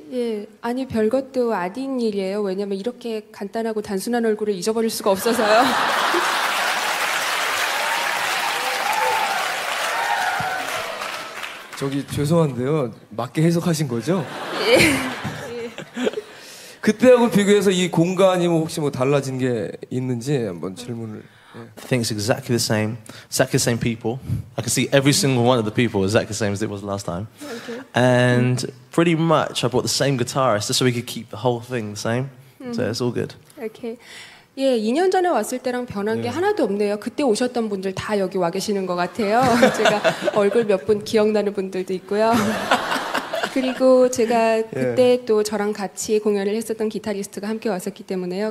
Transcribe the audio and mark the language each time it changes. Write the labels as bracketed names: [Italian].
[Korean] 예, 아니 별것도 아닌 일이에요. 왜냐면 이렇게 간단하고 단순한 얼굴을 잊어버릴 수가 없어서요. (웃음) 저기 죄송한데요. 맞게 해석하신 거죠? 예. 그때하고 비교해서 이 공간이 뭐 혹시 뭐 달라진 게 있는지 한번 질문을. [English] Things exactly the same, exactly the same people. I can see every single one of the people exactly the same as it was last time. Okay. And pretty much I brought the same guitarist just so we could keep the whole thing the same. Mm. So it's all good. Okay. [Korean] 예, 2년 전에 왔을 때랑 변한 게 하나도 없네요. 그때 오셨던 분들 다 여기 와 계시는 것 같아요. 제가 얼굴 몇 분 기억나는 분들도 있고요. 그리고 제가 그때 yeah. 또 저랑 같이 공연을 했었던 기타리스트가 함께 왔었기 때문에요.